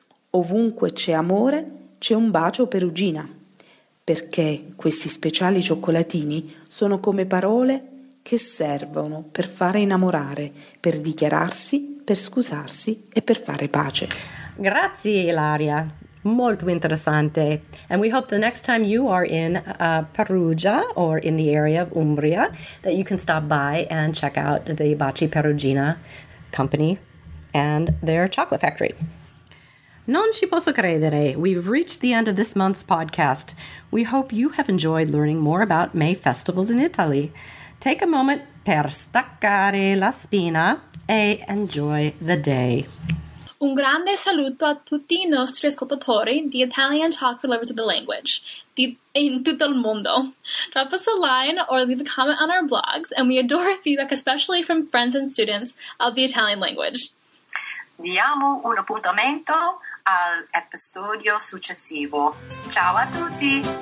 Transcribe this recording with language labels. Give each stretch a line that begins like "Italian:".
Italian: Ovunque c'è amore, c'è un bacio Perugina. Perché questi speciali cioccolatini sono come parole che servono per fare innamorare, per dichiararsi, per scusarsi e per fare pace. Grazie Ilaria, molto interessante.
English: And we hope the next time you are in Perugia or in the area of Umbria that you can stop by and check out the Baci Perugina company and their chocolate factory.
Italian: Non ci posso credere.
English: We've reached the end of this month's podcast. We hope you have enjoyed learning more about May festivals in Italy. Take a moment
Italian: per staccare la spina e
English: enjoy the day.
Italian: Un grande saluto a tutti i nostri ascoltatori di Italian Chocolate Lovers of the Language in tutto il mondo.
English: Drop us a line or leave a comment on our blogs, and we adore feedback, especially from friends and students of the Italian language.
Italian: Diamo un appuntamento all'episodio successivo. Ciao a tutti!